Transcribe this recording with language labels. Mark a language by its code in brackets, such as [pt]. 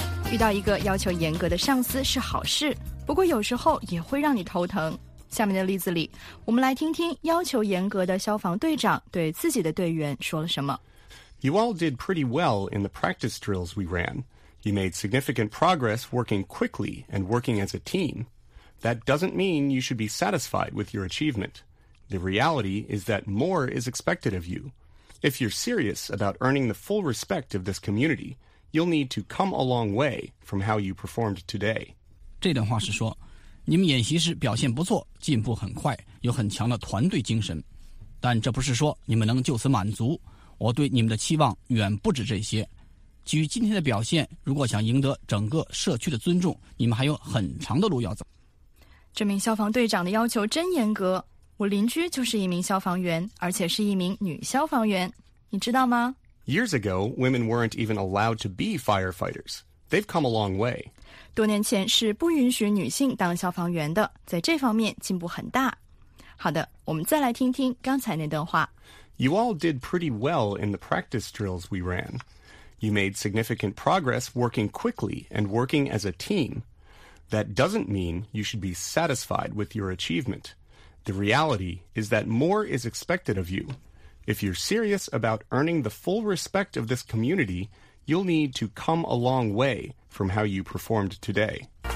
[zh] 遇到一个要求严格的上司是好事，不过有时候也会让你头疼。下面的例子里，我们来听听要求严格的消防队长对自己的队员说了什么。 [en] You all did pretty well in the practice drills we ran. You made significant progress working quickly and working as a team. That doesn't mean you should be satisfied with your achievement. The reality is that more is expected of you. If you're serious about earning the full respect of this community, you'll need to come a long way from how you performed today. [zh] 这段话是说，你们演习时表现不错，进步很快，有很强的团队精神，但这不是说你们能就此满足。我对你们的期望远不止这些。基于今天的表现，如果想赢得整个社区的尊重，你们还有很长的路要走。这名消防队长的要求真严格。我邻居就是一名消防员，而且是一名女消防员，你知道吗？ [en] Years ago, women weren't even allowed to be firefighters. They've come a long way. [zh] 多年前是不允许女性当消防员的，在这方面进步很大。好的，我们再来听听刚才那段话。 [en] You all did pretty well in the practice drills we ran. You made significant progress working quickly and working as a team. That doesn't mean you should be satisfied with your achievement. The reality is that more is expected of you. If you're serious about earning the full respect of this community, you'll need to come a long way from how you performed today.